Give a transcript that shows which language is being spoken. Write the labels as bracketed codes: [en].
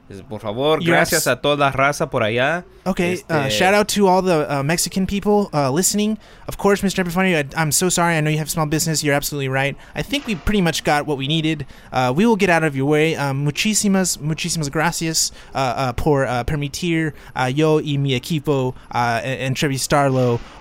[es] Por favor, gracias a toda la raza por allá. [en] Okay, shout out to all the Mexican people listening. Of course, Mr. Epifanio, I'm so sorry. I know you have small business. You're absolutely right. I think we pretty much got what we needed. We will get out of your way. [es] Muchísimas gracias por permitir yo y mi equipo entrevistarlo.